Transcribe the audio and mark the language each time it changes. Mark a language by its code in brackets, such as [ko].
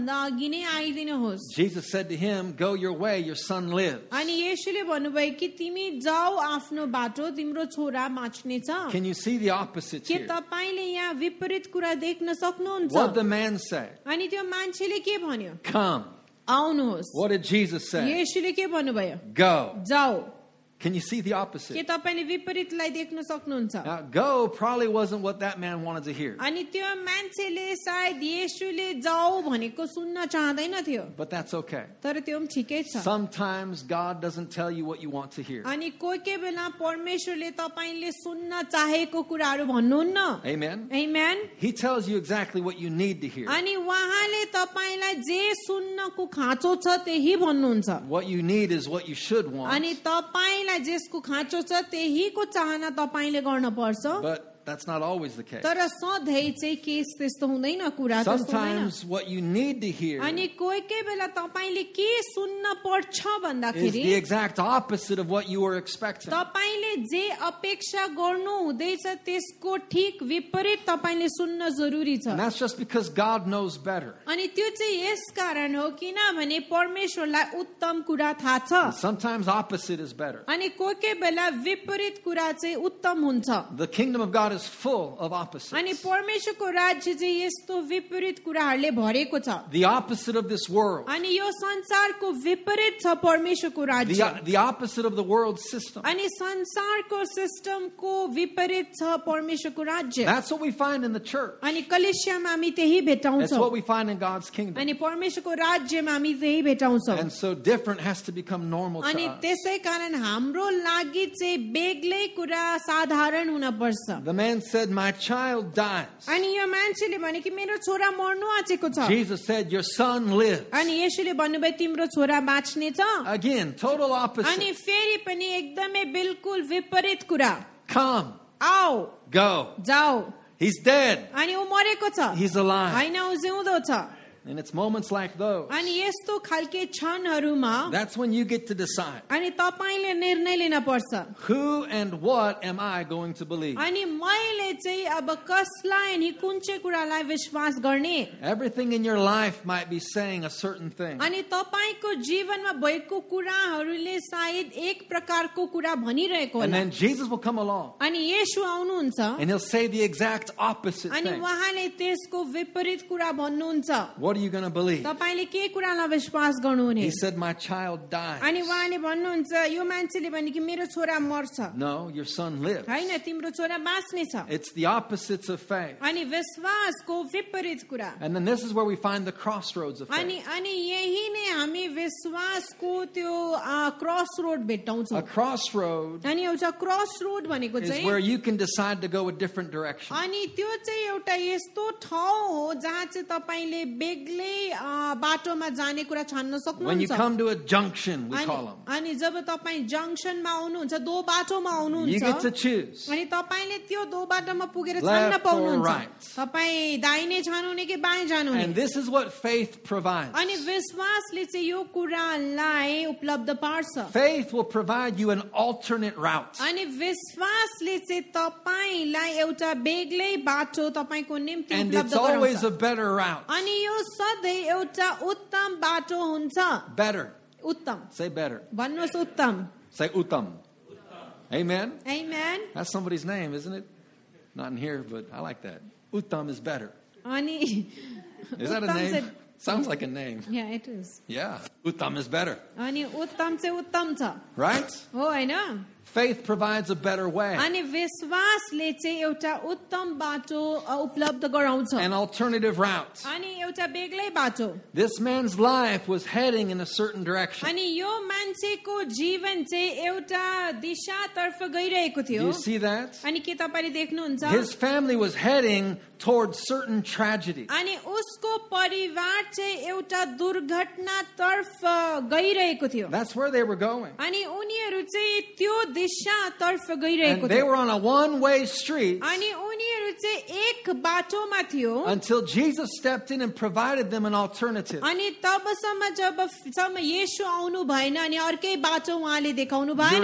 [en] Jesus said to him, go your way, your son lives. Can you see the opposite here? [ne] विपरीत कुरा देख्न सक्नुहुन्छ [en] What the man said? [ne] अनि त्यो मान्छेले के भन्यो [en] Come. [ne] आउनुहोस्. [en] What did Jesus say? [ne] येशूले के भन्नुभयो [en] Go. [ne] जाऊ. [en] Can you see the opposite? [ne] के तपाईले विपरीतलाई देख्न सक्नुहुन्छ? [en] Now, go probably wasn't what that man wanted to hear. [ne] अनि त्यो मान्छेले सायद येशूले जाऊ भनेको सुन्न चाहँदैन थियो. [en] But that's okay. [ne] तर त्यो पनि ठीकै छ. [en] Sometimes God doesn't tell you what you want to hear. [ne] अनि कोही कोही बेला परमेश्वरले तपाईले सुन्न चाहेको कुराहरू भन्नुहुन्न. [en] Amen. Amen. He tells you exactly what you need to hear. [ne] अनि वहाँले तपाईलाई जे सुन्नको खाँचो छ त्यही भन्नुहुन्छ. [en] What you need is what you should want. [ne] अनि तपाई जसको खाँचो छ त्यहीको चाहना तपाईले गर्न पर्छ. [en] That's not always the case. [ne] तर सधैं चाहिँ केस त्यस्तो हुँदैन कुरा त्यस्तो हुँदैन. [en] Sometimes what you need to hear. [ne] अनि कोही कोही बेला तपाईले के सुन्न पर्छ भन्दाखेरि [en] is the exact opposite of what you were expecting. [ne] तपाईले जे अपेक्षा गर्नु हुँदैछ त्यसको ठीक विपरीत तपाईले सुन्न जरुरी छ. [en] And that's just because God knows better. [ne] अनि त्यो चाहिँ यस कारण हो किनभने परमेश्वरलाई उत्तम कुरा थाहा छ. [en] Sometimes opposite is better. [ne] अनि कोही कोही बेला विपरीत कुरा चाहिँ उत्तम हुन्छ. [en] The kingdom of God is full of opposites. [ne] अनि परमेश्वरको राज्य चाहिँ यस्तो विपरीत कुराहरुले भरेको छ. [en] The opposite of this world. [ne] अनि यो संसारको विपरीत छ परमेश्वरको राज्य. [en] The opposite of the world system. [ne] अनि संसारको सिस्टमको विपरीत छ परमेश्वरको राज्य. [en] That's what we find in the church. [ne] अनि कलिसियामा हामी त्यही भेटाउँछौं. [en] That's what we find in God's kingdom. [ne] अनि परमेश्वरको राज्यमा हामी त्यही भेटाउँछौं. [en] And so different has to become normal to us. [ne] अनि त्यसै कारण हाम्रो लागि चाहिँ बेग्लै कुरा साधारण हुन पर्छ. [en] The man said, "My child dies." [ne] अनि यो मान्छेले भने कि मेरो छोरा मर्नु आचेको छ. [en] Jesus said, "Your son lives." [ne] अनि येशूले भन्नुभयो तिम्रो छोरा बाँच्ने छ. [en] Again, total opposite. [ne] अनि फेरि पनि एकदमै बिल्कुल विपरीत कुरा. [en] Come. [ne] आओ. [en] Go. [ne] जाओ. [en] He's dead. [ne] अनि ऊ मरेको छ. [en] He's alive. [ne] हैन ऊ जिउँदो छ. [en] And it's moments like those. [ne] अनि यस्तो खालके क्षणहरुमा [en] That's when you get to decide. [ne] अनि तपाईले निर्णय लिन पर्छ. [en] Who and what am I going to believe? [ne] अनि मैले चाहिँ अब कसलाई अनि कुन चाहिँ कुरालाई विश्वास गर्ने? [en] Everything in your life might be saying a certain thing. [ne] अनि तपाईको जीवनमा भएको कुराहरुले सायद एक प्रकारको कुरा भनिरहेको होला. [en] And then Jesus will come along. [ne] अनि येशू आउनुहुन्छ. [en] And he'll say the exact opposite thing. [ne] अनि वहाँले त्यसको विपरीत कुरा भन्नुहुन्छ. [en] What are you going to believe? [ne] तपाईले के कुरालाई विश्वास गर्नुहुने? [en] He said my child dies. [ne] अनि वहाँले भन्नुहुन्छ यो मान्छेले भने कि मेरो छोरा मर्छ. [en] No, your son lives. [ne] हैन तिम्रो छोरा बाँच्ने छ. [en] It's the opposite of faith. [ne] अनि विश्वासको विपरीत कुरा. [en] And then this is where we find the crossroads of faith. [ne] अनि यही नै हामी विश्वासको त्यो क्रसरोड भेट्टाउँछौं. [en] A crossroad. [ne] अनि एउटा क्रसरोड भनेको चाहिँ [en] is where you can decide to go a different direction. [ne] अनि त्यो चाहिँ एउटा यस्तो ठाउँ हो जहाँ चाहिँ तपाईले बाटोमा जाने कुरा छान्न सक्नुहुन्छ. अनि जब तपाईँ जङ्क्सनमा आउनुहुन्छ दो बाटोमा आउनुहुन्छ अनि तपाईँले त्यो दो बाटोमा पुगेर छान्न पाउनुहुन्छ. तपाईँ दाहिने छान्नुहुने कि बाएँ जानुहुने? अनि विश्वासले चाहिँ यो कुरालाई उपलब्ध पार्छ. [en] Faith will provide you an alternate route. [ne] अनि विश्वासले चाहिँ तपाईँलाई एउटा बेग्लै बाटो तपाईँको निम्ति उपलब्ध गराउँछ. [en] And it's always a better route. [ne] अनि यो सधैँ एउटा उत्तम बाटो हुन्छ. [en] Better. [ne] उत्तम. [en] Say better. [ne] भन्नुहोस् उत्तम. [en] Say उत्तम. Amen. Amen. That's somebody's name, isn't it? Not in here, but I like that. उत्तम is better. [ne] अनि [en] Is that a name? Sounds like a name. Yeah, it is. Yeah. उत्तम is better. [ne] अनि उत्तम चाहिँ उत्तम छ. [en] Right? [ne] हो हैन? [en] Faith provides a better way. [ne] अनि विश्वासले चाहिँ एउटा उत्तम बाटो उपलब्ध गराउँछ. [en] An alternative route. [ne] अनि एउटा बेग्लै बाटो. [en] This man's life was heading in a certain direction. [ne] अनि यो मान्छेको जीवन चाहिँ एउटा दिशातर्फ गइरहेको थियो. [en] You see that? [ne] अनि के तपाईले देख्नुहुन्छ? [en] His family was heading towards certain tragedy. [ne] अनि उसको परिवार चाहिँ एउटा दुर्घटनातर्फ गइरहेको थियो. [en] That's where they were going. [ne] अनि उनीहरू चाहिँ त्यो दिशातर्फ गइरहेको थियो. [en] And they were on a one-way street. [ne] अनि उनीहरू चाहिँ एक बाटोमा थियो. [en] Until Jesus stepped in and provided them an alternative. [ne] अनि तबसम्म जबसम्म येशू आउनु भएन अनि अर्कै बाटो उहाँले देखाउनु भएन.